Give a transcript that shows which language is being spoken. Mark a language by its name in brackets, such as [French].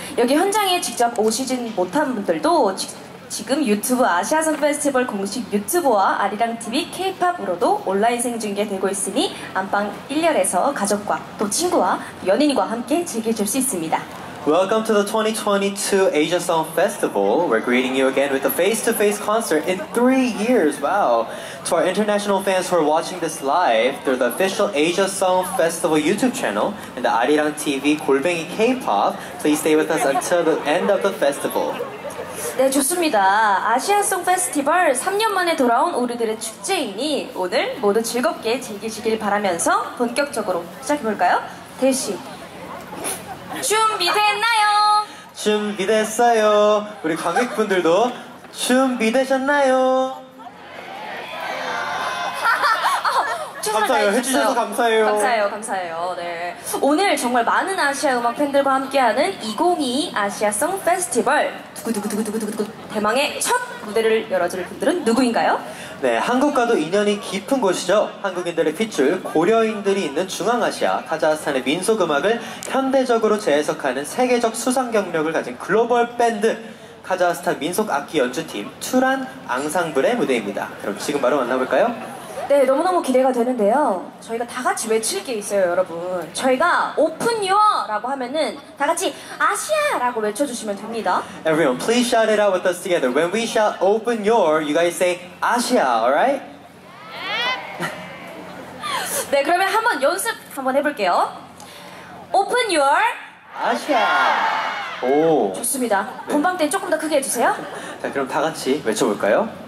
[Korean] 여기 현장에 직접 오시진 못한 분들도 지금 유튜브 아시아선 페스티벌 공식 유튜브와 아리랑 TV 케이팝으로도 온라인 생중계되고 있으니 안방 1열에서 가족과 또 친구와 연인과 함께 즐겨줄 수 있습니다. [English] Welcome to the 2022 Asia Song Festival. We're greeting you again with a face-to-face concert in 3 years. Wow. To our international fans who are watching this live through the official Asia Song Festival YouTube channel and the Arirang TV 골뱅이 K-pop, please stay with us until the end of the festival. [Korean] 네, 좋습니다. 아시아 송 페스티벌 3년 만에 돌아온 우리들의 축제이니 오늘 모두 즐겁게 즐기시길 바라면서 본격적으로 시작해볼까요? 대시 준비됐나요? 준비됐어요. 우리 관객분들도 준비되셨나요? 감사해요. 해주셔서 감사해요. 감사해요. 감사해요. 네. 오늘 정말 많은 아시아 음악 팬들과 함께하는 2022 아시아 송 페스티벌 두구두구두구두구두구 대망의 첫 무대를 열어줄 분들은 누구인가요? 네, 한국과도 인연이 깊은 곳이죠. 한국인들의 핏줄 고려인들이 있는 중앙아시아 카자흐스탄의 민속 음악을 현대적으로 재해석하는 세계적 수상 경력을 가진 글로벌 밴드 카자흐스탄 민속 악기 연주팀 투란 앙상블의 무대입니다. 그럼 지금 바로 만나볼까요? 네, 너무너무 기대가 되는데요. 저희가 다 같이 외칠 게 있어요, 여러분. 저희가 Open Your라고 하면은 다 같이 아시아라고 외쳐주시면 됩니다. [English] Everyone, please shout it out with us together. When we shout Open Your, you guys say 아시아, alright? [Korean] 네, 그러면 한번 연습 한번 해볼게요. [English] Open Your [Korean] 아시아. 오. 좋습니다. 네. 본방 때 조금 더 크게 해주세요. 자, 그럼 다 같이 외쳐볼까요?